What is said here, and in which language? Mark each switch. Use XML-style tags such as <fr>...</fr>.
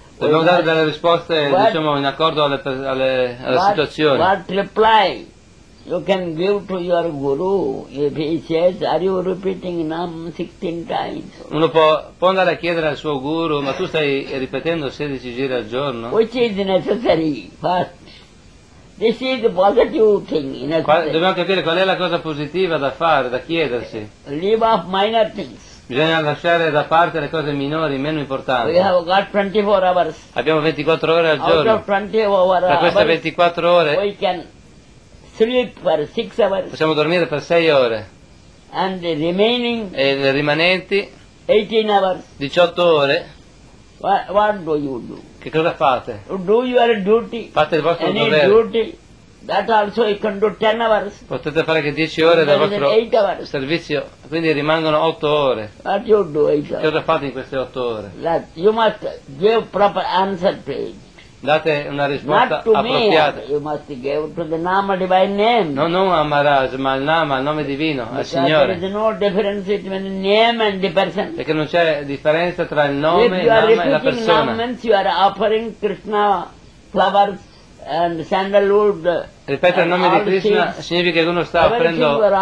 <it>Dobbiamo dare delle risposte, diciamo, in accordo alla situazione.</it> <en>What reply you can give to your guru if he says, are you repeating Nam 16 times?</en> <it>Uno può andare a chiedere al suo guru, ma tu stai ripetendo 16 giri al giorno?</it> <en>Which is necessary, first. This is the positive thing.</en> <it>Dobbiamo capire qual è la cosa positiva da fare, da chiedersi.</it> <en>Leave off minor things.</en> <it>Bisogna lasciare da parte le cose minori, meno importanti.</it> <en>We have got 24 hours.</en> <it>Abbiamo 24 ore al giorno.</it> <en>Out of 24 hours,</en> <it>queste 24 ore,</it> <en>we can sleep for 6 hours.</en> <it>Possiamo dormire per 6 ore.</it> <en>And the remaining,</en> <it>e le rimanenti,</it> <en>18 hours.</en> <it>18 ore.</it> <en>What do you do?</en> <it>Che cosa fate?</it> <en>Do your duty.</en> <it>Fate il vostro</it> <en>any</en> <it>dovere.</it> <en>Duty, that also you can do 10 hours.</en> <it>Potete fare anche 10 ore dal vostro servizio, quindi rimangono 8 ore.</it> <en>What you do, 8 hours?</en> <it>Che cosa fate in queste 8 ore?</it> <en>That you must give proper answer to it.</en> <it>Date una risposta appropriata.</it> <en>You must give to the Nama divine name.</en> <it>No, non a Maharaj, ma al Nama, al nome divino, al Signore.</it> <en>There is no difference between name and the person.</en> <it>Perché non c'è differenza tra il nome,</it> <en>if you are</en> <it>Nama e la persona.</it> <en>Nama means you are offering Krishna flowers and sandalwood.</en> <it>Ripeto,</it> <en>and</en> <it>il nome di Krishna significa che uno sta offrendo</it>